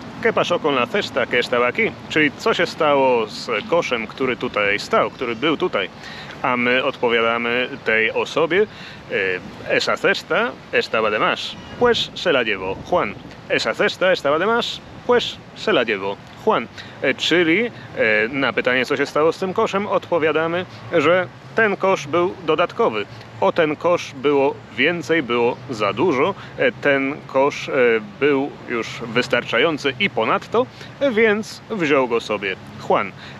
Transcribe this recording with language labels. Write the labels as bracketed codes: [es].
[es] ¿Qué pasó con la cesta que estaba aquí? [pl] Czyli co się stało z koszem, który tutaj stał, który był tutaj? A my odpowiadamy tej osobie: [es] esa cesta estaba de más, pues se la llevó Juan. Esa cesta estaba de más, pues se la llevó Juan. [pl] Czyli na pytanie, co się stało z tym koszem, odpowiadamy, że ten kosz był dodatkowy. O ten kosz było więcej, było za dużo. Ten kosz był już wystarczający i ponadto, więc wziął go sobie Juan.